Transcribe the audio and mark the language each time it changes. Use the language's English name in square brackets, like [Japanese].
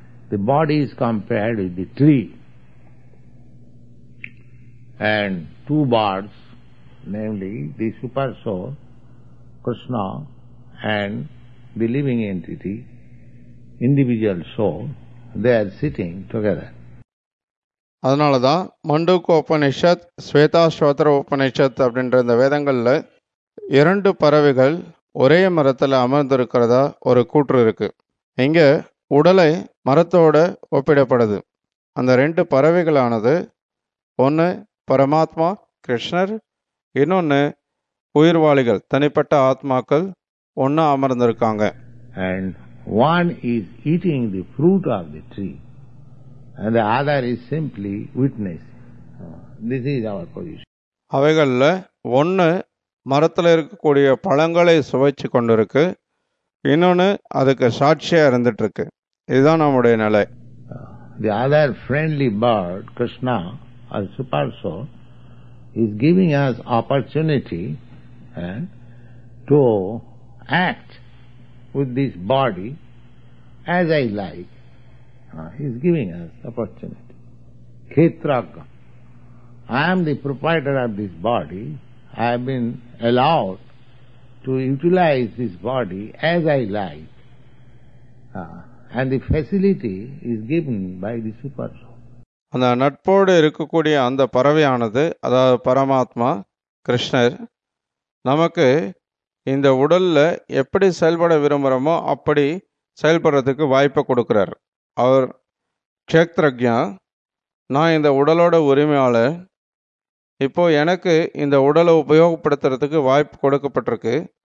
[English] the body is compared with the tree. And two bars, namely the super soul, Krishna, and the living entity, individual soul, they are sitting together. [Tamil] அதனால தான் மண்டூக்க உபநிஷத், ஸ்வேதாஸ்வத்திர உபநிஷத் அப்படின்ற இந்த வேதங்களில் இரண்டு பறவைகள் ஒரே மரத்தில் அமர்ந்திருக்கிறதா ஒரு கூற்று இருக்குது. இங்கே உடலை மரத்தோடு ஒப்பிடப்படுது. அந்த ரெண்டு பறவைகளானது ஒன்று பரமாத்மா கிருஷ்ணர், இன்னொன்று உயிர்வாளிகள் தனிப்பட்ட ஆத்மாக்கள் ஒன்றா அமர்ந்திருக்காங்க. [English] And one is eating the fruit of the tree. And the other is simply witness. This is our position. [Tamil] அவைகளில் ஒன்று மரத்தில் இருக்கக்கூடிய பழங்களை சுவைச்சு கொண்டிருக்கு, இன்னொன்று அதுக்கு சாட்சியாக இருந்துட்டு இருக்கு. இதுதான் நம்முடைய நிலை. [English] The other friendly bird, Krishna, or super soul, is giving us opportunity to act with this body as I like. He is giving us opportunity. Khetraka. I am the proprietor of this body. I have been allowed to utilize this body as I like. And the facility is given by the super soul. [Tamil] அந்த நட்போடு இருக்கக்கூடிய அந்த பறவையானது, அதாவது பரமாத்மா கிருஷ்ணர், நமக்கு இந்த உடல்ல எப்படி செயல்பட விரும்புகிறோமோ அப்படி செயல்படுறதுக்கு வாய்ப்பை கொடுக்கிறார். அவர் க்ஷேத்ரஜ்ஞா, நான் இந்த உடலோட உரிமையாளர், இப்போது எனக்கு இந்த உடலை உபயோகப்படுத்துறதுக்கு வாய்ப்பு கொடுக்கப்பட்டிருக்கு.